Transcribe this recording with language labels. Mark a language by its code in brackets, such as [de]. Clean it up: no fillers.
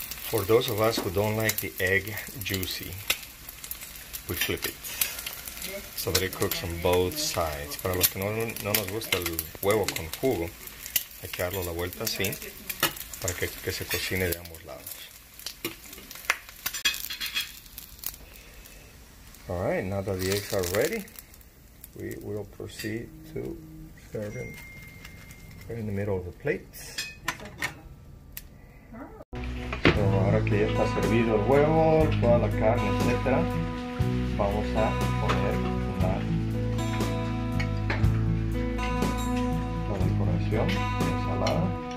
[en] For those of us who don't like the egg juicy, we flip it. So that it cooks on both sides. [es] Para los que no nos gusta el huevo con jugo, hay que darlo la vuelta así para que se cocine de ambos lados. [en] All right. Now that the eggs are ready, we will proceed to serve them in the middle of the plate. [es] So, ahora que ya está servido el huevo, toda la carne, etc., vamos a poner la decoración, la ensalada,